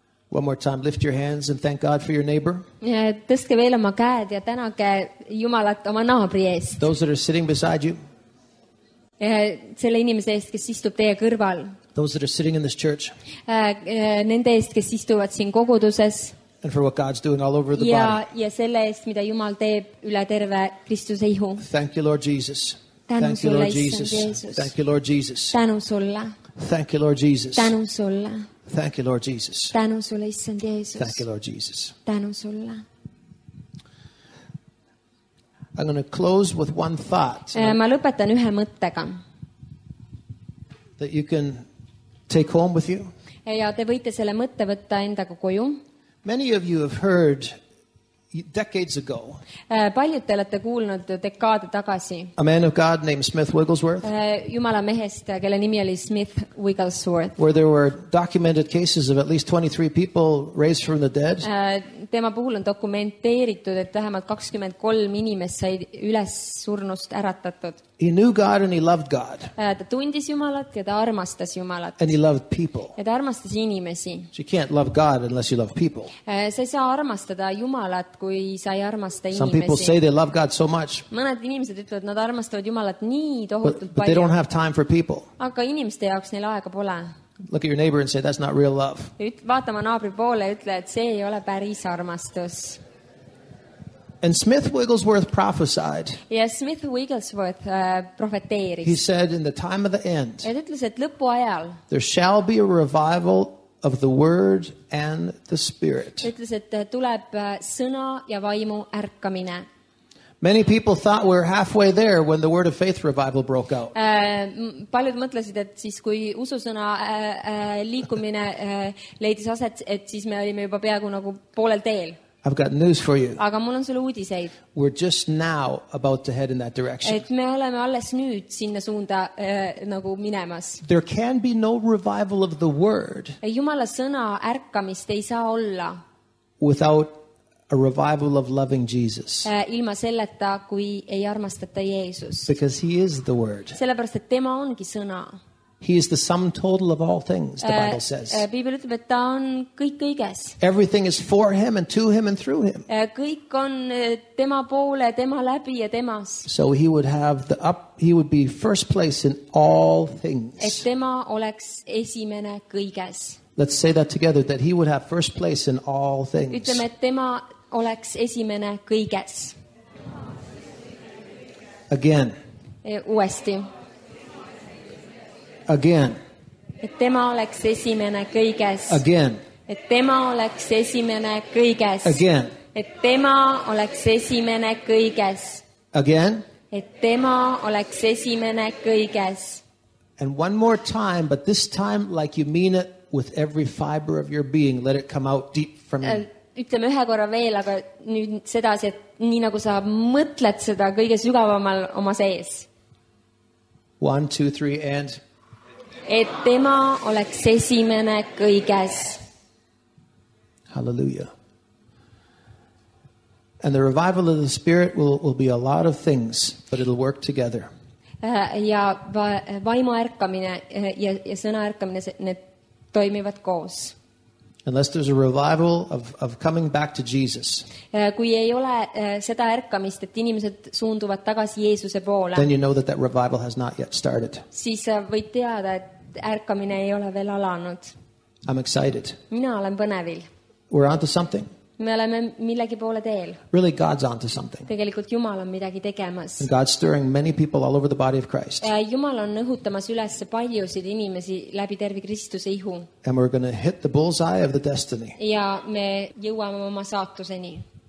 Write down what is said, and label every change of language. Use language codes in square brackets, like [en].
[en] One more time, lift your hands and thank God for your neighbor. [et] Ja tõske veel oma käed ja tänage Jumalat oma naabri eest. [en] Those that are sitting beside you. [et] Selle inimese eest, kes istub teie kõrval. [en] Those that are sitting in this church. [et] Nende eest, kes istuvad siin koguduses. [en] And for what God's doing all over the [et] ja, [en] body. [et] Ja selle eest, mida Jumal teeb üle terve Kristuse ihu. [en] Thank you, Lord Jesus. [et] Tänu [en] thank you, Lord [et] Jeesus. [en] Thank you, Lord Jesus. [et] Tänu sulle. [en] Thank you, Lord Jesus. [et] Tänu sulle. [en] Thank you, Lord Jesus. [et] Tänu sulle, Issand Jeesus. [en] Thank you, Lord Jesus. [et] Tänu sulle. [en] I'm going to close with one thought. [et] Ma lõpetan ühe mõttega. [en] That you can take home with you. [et] Ja te võite selle mõtte võtta endaga koju. [en] Many of you have heard decades ago. [et] Paljud te olete kuulnud dekaade tagasi. [en] A man of God named Smith Wigglesworth. [et] Jumala mehest, kelle nimi oli Smith Wigglesworth. [en] Where there were documented cases of at least 23 people raised from the dead. [et] Tema puhul on dokumenteeritud, et vähemalt 23 inimest sai üles surnust äratatud. [en] He knew God and he loved God. [et] Ta tundis Jumalat ja ta armastas Jumalat. [en] And he loved people. [et] Ja ta armastas inimesi. [en] You can't love God unless you love people. [et] Sa ei saa armastada Jumalat, kui sa ei armasta inimesi. [en] Some people say they love God so much. [et] Mõned inimesed ütlevad, nad armastavad Jumalat nii tohutult palju. [en] But they don't have time for people. [et] Aga inimeste jaoks neil aega pole. [en] Look at your neighbor and say, that's not real love. [et] Vaatama naabri poole ja ütle, et see ei ole päris armastus. [en] And Smith Wigglesworth prophesied. [et] Ja Smith Wigglesworth profeteeris. [en] He said, in the time of the end, [et] et ütles, et lõpuajal, [en] there shall be a revival of the word and the spirit. [et] Ütles, et tuleb sõna ja vaimu ärkamine. [en] Many people thought we're halfway there when the word of faith revival broke out. [et] Paljud mõtlesid, et siis kui ususõna liikumine leidis aset, et siis me olime juba peaaegu nagu poolel teel. [en] I've got news for you. [et] Aga mul on sulle uudiseid. [en] We're just now about to head in that direction. [et] Et me oleme alles nüüd sinna suunda nagu minemas. [en] There can be no revival of the word. [et] Jumala sõna ärkamist ei saa olla. [en] Without a revival of loving Jesus. [et] Ilma selleta, kui ei armastata Jeesus. [en] Because he is the word. [et] Sellepärast, et tema ongi sõna. [en] He is the sum total of all things, the Bible says. [et] Biblia ütleb, et ta on kõik kõiges. [en] Everything is for him and to him and through him. [et] Kõik on tema poole, tema läbi ja temas. [en] So he would have the up, he would be first place in all things. [et] Et tema oleks esimene kõiges. [en] Let's say that together, that he would have first place in all things. [et] Ütleme, et tema oleks esimene kõiges. [en] Again. [et] Uuesti. [en] Again. [et] Et tema oleks esimene kõiges. [en] Again. [et] Et tema oleks esimene kõiges. [en] Again. [et] Et tema oleks esimene kõiges. [en] Again. [et] Et tema oleks esimene kõiges. [en] And one more time, but this time like you mean it with every fiber of your being, let it come out deep from you. [et] Ütleme ühe korra veel, aga nüüd sedasi, et nii nagu sa mõtled seda kõige sügavamal oma sees. [en] 1, 2, 3 and [et] et tema oleks esimene kõiges. [en] Hallelujah. And the revival of the spirit will be a lot of things, but it'll work together. [et] Ja vaimu ärkamine ja sõna ärkamine, need toimivad koos. [en] Unless there's a revival of coming back to Jesus. [et] Kui ei ole seda ärkamist, et inimesed suunduvad tagasi Jeesuse poole. [en] Then you know that that revival has not yet started. [et] Siis võid teada, et ärkamine ei ole veel alanud. [en] I'm excited. [et] Mina olen põnevil. [en] We're onto something. [et] Me oleme millegi poole teel. [en] Really God's onto something. [et] Tegelikult Jumal on midagi tegemas. [en] And God's stirring many people all over the body of Christ. [et] Jumal on õhutamas üles paljusid inimesi läbi tervi Kristuse ihu. [en] And we're going to hit the bullseye of the destiny. [et] Ja me jõuame oma saatuseni.